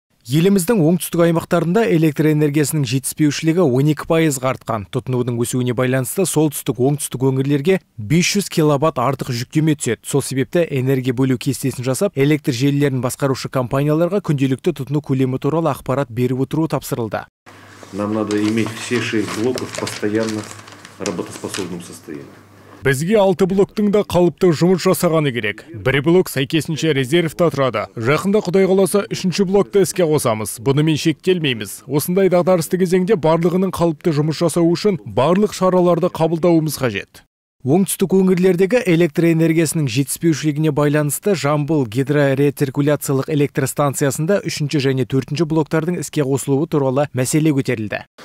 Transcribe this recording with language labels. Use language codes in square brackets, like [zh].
[kk] Еліміздің оңтүстік аймақтарында электр энергиясының жетіспеушілігі 12% артқан. Тұтынудың өсуіне байланысты солтүстік оңтүстік өңірлерге 500 киловатт артық жүктеме түседі. Сол себепті энергия бөлу кестесін жасап, электр желілерін басқарушы компанияларға күнделікті тұтыну көлемі туралы ақпарат беріп отыру тапсырылды. [ru] Нам надо иметь все 6 блоков постоянно работоспособном состоянии. [kk] Бізге 6 блоктың да қалыпты жұмыс жасағаны керек. Бір блок сәйкесінше резервті тұрады. Жақында Құдай қаласа, үшінші блокты іске қосамыз. Бұны мен шектелмейміз. Осындай дағдарысты кезеңде барлығының қалыпты жұмыс жасау үшін барлық шараларды қабылдауымыз қажет. Оңтүстік өңірлердегі электр энергиясының жетіспеушілігіне байланысты Жамбыл гидроретеркуляциялық электростанциясында 3-ші және 4-ші блоктардың іске қосылуы туралы мәселе көтерілді.